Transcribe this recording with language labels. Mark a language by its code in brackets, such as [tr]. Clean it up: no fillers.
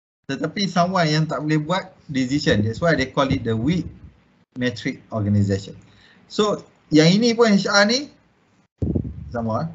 [ms] Tetapi someone yang tak boleh buat decision. [en] That's why they call it the weak matrix organization. [ms] So, yang ini pun HR ni, sama.